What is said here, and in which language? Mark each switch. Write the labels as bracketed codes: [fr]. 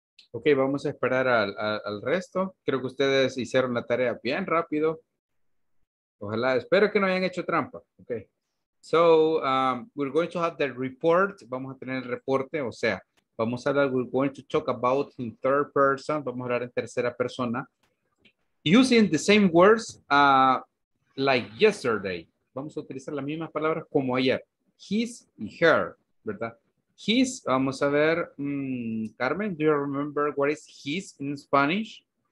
[es] Ok, vamos a esperar al resto. Creo que ustedes hicieron la tarea bien rápido. Ojalá, espero que no hayan hecho trampa. [en] Ok, so we're going to have the report. [es] Vamos a tener el reporte, o sea, vamos a hablar, [en] we're going to talk about in third person. [es] Vamos a hablar en tercera persona. [en] Using the same words like yesterday. [es] Vamos a utilizar las mismas palabras como ayer. His y her, ¿verdad? [en] His, [es] vamos a ver, [en] Carmen, do you remember what is his in Spanish?